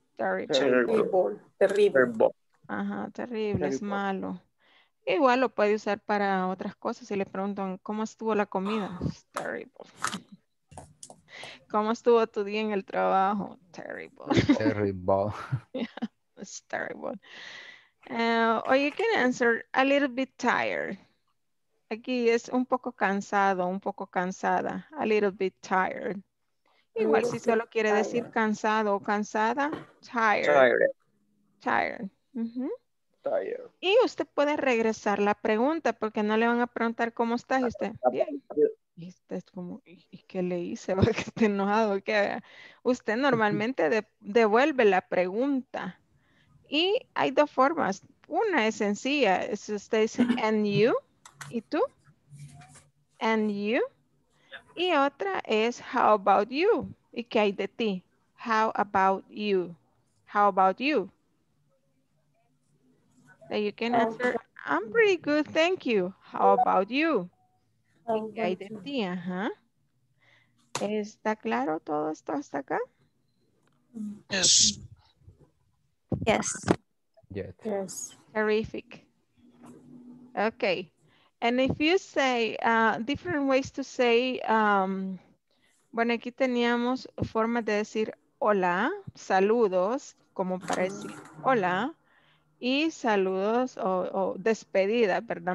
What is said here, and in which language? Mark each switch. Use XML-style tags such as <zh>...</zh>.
<en>Terrible. Terrible.</en> <es>Ajá, terrible, es malo. Igual lo puede usar para otras cosas. Si le preguntan, ¿cómo estuvo la comida? Terrible. ¿Cómo estuvo tu día en el trabajo?</es> <en>Terrible. Terrible. Yeah, it's terrible. Or you can answer, a little bit tired.</en> <es>Aquí es un poco cansado, un poco cansada.</es> <en>A little bit tired.</en> <es>Igual si solo quiere tired. Decir cansado o cansada.</es> <en>Tired. Tired. Tired. Uh-huh. Tired.</en> <es>Y usted puede regresar la pregunta porque no le van a preguntar cómo estás. Y usted, bien. Y usted es como, ¿y qué le hice? ¿Va que esté enojado? ¿Qué? Usted normalmente devuelve la pregunta. Y hay dos formas. Una es sencilla. Es usted dice,</es> <en>and you.</en> <es>¿Y tú?</es> <en>And you.</en> <es>Y otra es,</es> <en>how about you?</en> <es>¿Y qué hay de ti?</es> <en>How about you? How about you? So you can answer, I'm pretty good, thank you. How about you? Okay,</en> <es>de ti, ajá. ¿Está claro todo esto hasta acá?</es> <en>Yes. Yes. Yes. Yes. Terrific. Okay. And if you say different ways to say,</en> <es>bueno, aquí teníamos formas de decir hola, saludos, como para decir hola, y saludos o despedida, ¿verdad?</es>